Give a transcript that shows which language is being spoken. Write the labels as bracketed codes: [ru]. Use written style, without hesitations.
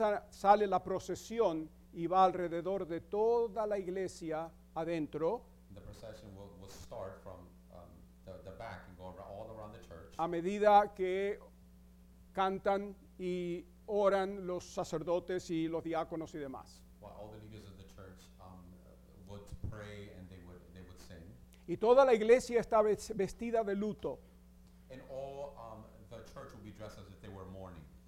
[es] Sale la procesión y va alrededor de toda la iglesia adentro. [en] The procession will start from the back and go around, all around the church. [es] A medida que cantan y oran los sacerdotes y los diáconos y demás. [en] While all the leaders of the church would pray and they would sing. [es] Y toda la iglesia está vestida de luto. [en] And all the church would be dressed as if they were mourning.